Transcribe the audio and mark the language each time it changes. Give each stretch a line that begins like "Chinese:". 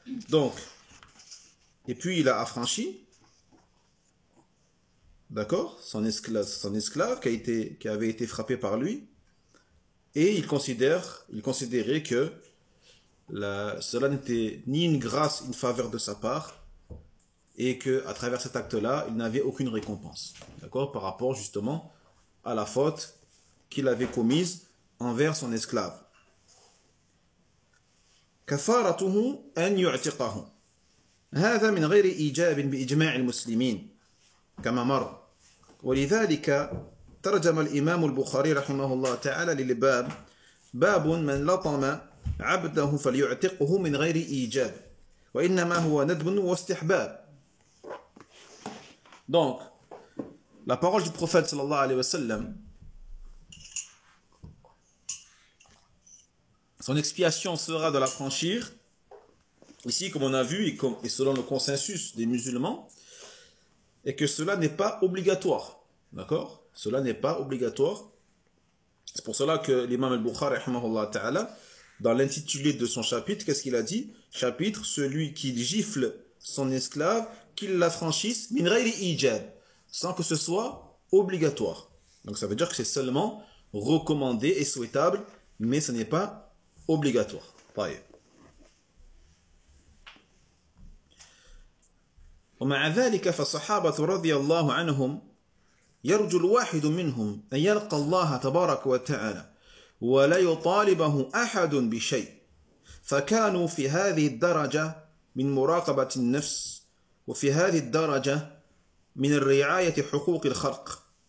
French: Donc, et puis il a affranchi, d'accord, son esclave qui avait été frappé par lui, et il considérait que cela n'était ni une grâce, une faveur de sa part, et que à travers cet acte-là, il n'avait aucune récompense, d'accord, par rapport justement à la faute qu'il avait commise envers son esclave.
Arabic: كفارته أن يعتقه هذا من غير إيجاب بإجماع المسلمين كما مر ولذلك ترجم الإمام البخاري رحمه الله تعالى للباب باب من لطم عبده فليعتقه من غير إيجاب وإنما هو ندب واستحباب.
French: Donc la parole du prophète
Arabic: صلى الله عليه وسلم,
French: son expiation sera de l'affranchir. Ici, comme on a vu, et selon le consensus des musulmans, et que cela n'est pas obligatoire. D'accord ? Cela n'est pas obligatoire. C'est pour cela que l'imam al-Bukhari,
Arabic: rahimahullah ta'ala,
French: dans l'intitulé de son chapitre, qu'est-ce qu'il a dit ? Chapitre, celui qui gifle son esclave, qu'il l'affranchisse,
Arabic: min ghayri ijab,
French: sans que ce soit obligatoire. Donc ça veut dire que c'est seulement recommandé et souhaitable, mais ce n'est pas obligatoire.
Arabic: طيب. ومع ذلك فالصحابة رضي الله عنهم يرجو الواحد منهم أن يلقى الله تبارك وتعالى ولا يطالبه أحد بشيء فكانوا في هذه الدرجة من مراقبة النفس وفي هذه الدرجة من الرعاية حقوق الخلق